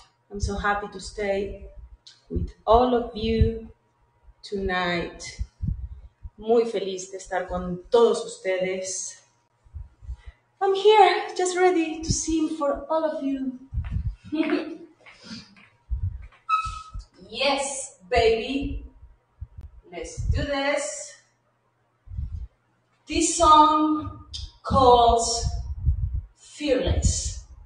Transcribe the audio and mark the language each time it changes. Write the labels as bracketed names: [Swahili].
[English] I'm so happy to stay with all of you tonight. [Spanish] Muy feliz de estar con todos ustedes. [English] I'm here, just ready to sing for all of you. Yes, baby. Let's do this. This song calls Fearless.